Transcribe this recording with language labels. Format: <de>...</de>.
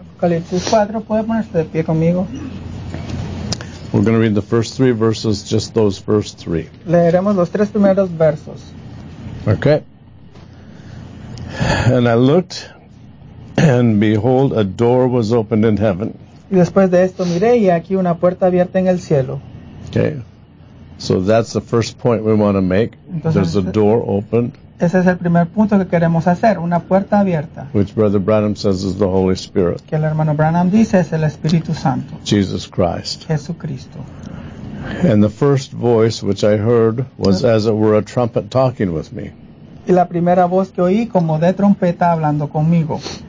<es>Apocalipsis 4. ¿Puede ponerse de pie conmigo?</es> <en>We're going to read the first three verses, just those first three.</en> <es>Leeremos los tres primeros versos.</es> <en>Okay. And I looked, and behold, a door was opened in heaven.</en> <es>Y después de esto miré, y aquí una puerta abierta en el cielo.</es> <en>Okay. So that's the first point we want to make.</en> <es>Entonces,</es> <en>there's a door opened.</en> <es>Ese es el primer punto que queremos hacer, una puerta abierta.</es> <en>Which Brother Branham says is the Holy Spirit.</en> <es>Que el hermano Branham dice es el Espíritu Santo.</es> <en>Jesus Christ.</en> <es>Jesucristo.</es> <en>And the first voice which I heard was as it were a trumpet talking with me.</en> <es>Y la primera voz que oí como de trompeta hablando conmigo.</es>